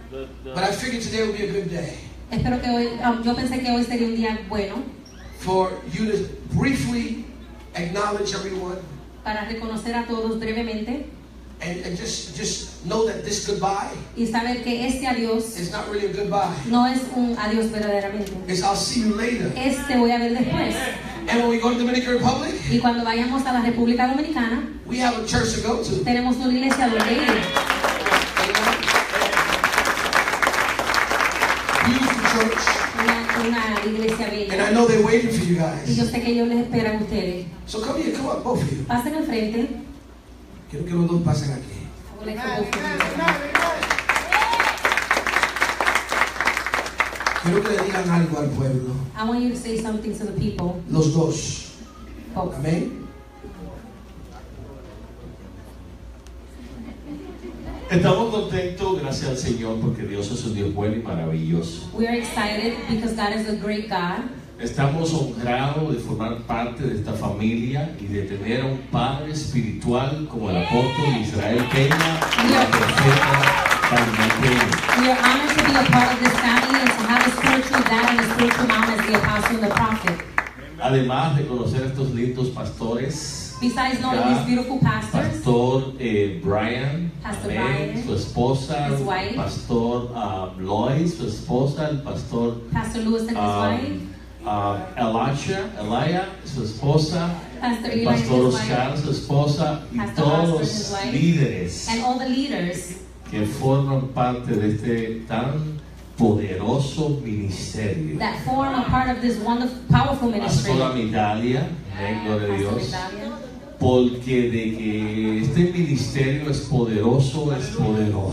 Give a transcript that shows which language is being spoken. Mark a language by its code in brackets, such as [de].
[en] The but I figured today would be a good day. [es] Espero que hoy, yo pensé que hoy sería un día bueno. [en] For you to briefly acknowledge everyone. [es] Para reconocer a todos brevemente. [en] And just know that this goodbye. [es] Y saber que este adiós [en] is not really a goodbye. [es] No es un adiós verdaderamente. [en] It's I'll see you later. [es] Este voy a ver después. [en] And when we go to Dominican Republic. [es] Y cuando vayamos a la República Dominicana. [en] We have a church to go to. [es] Tenemos una iglesia donde ir. [en] Beautiful church. [es] Una iglesia bella. [en] And I know they're waiting for you guys. [es] Y yo sé que ellos les esperan a ustedes. [en] So come here, come up, both of you. [es] Pasen al frente. Quiero que los dos pasen aquí. Quiero que le digan algo al pueblo. [en] I want you to say something to the people. [es] Los dos. [en] Both. [es] Amén. Estamos contentos, gracias al Señor, porque Dios es un Dios bueno y maravilloso. [en] We are excited because God is a great God. [es] Estamos honrados de formar parte de esta familia y de tener a un padre espiritual como el apóstol Israel Peña y la profeta Carmen Peña. [en] We are honored to be a part of this family and to have a spiritual dad and a spiritual mom as the apostle and the prophet. [es] Además de conocer a estos lindos pastores, [en] besides knowing these beautiful pastors, Pastor Brian, Pastor Brian, [es] su esposa, [en] his wife, [es] Pastor Lois, su esposa, el pastor, [en] Pastor Lewis and his wife, [es] Elia, su esposa, [en] Pastor, Eli, Pastor Oscar, wife, [es] su esposa, Pastor y todos los líderes [en] and all the leaders [es] que forman parte de este tan poderoso ministerio. [en] That form a part of this wonderful, powerful ministry. [es] Pastora Midalia, vengo de Dios. Midalia. Porque de que este ministerio es poderoso, es poderoso.